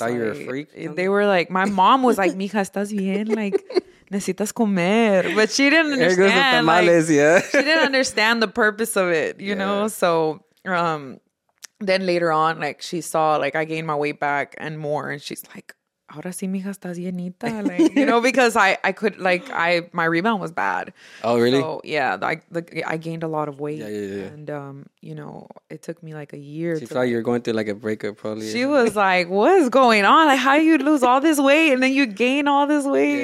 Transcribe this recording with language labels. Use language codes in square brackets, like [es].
[en] they thought, like, you were a freak? They were, like, my mom was, like, mija, [es] ¿estás bien? [en] Like, [es] necesitas comer. [en] But she didn't understand. There goes the tamales, like, she didn't understand the purpose of it, you know? So, then later on, like, she saw, like, I gained my weight back and more. And she's like, [es] ahora sí, mija, estás llenita. [en] Like, you know, because I could, like, my rebound was bad. Oh, really? So, yeah, I gained a lot of weight. Yeah. And, you know, it took me, like, a year. She thought you were going through, like, a breakup, probably. She was like, what is going on? Like, how you lose all this weight and then you gain all this weight?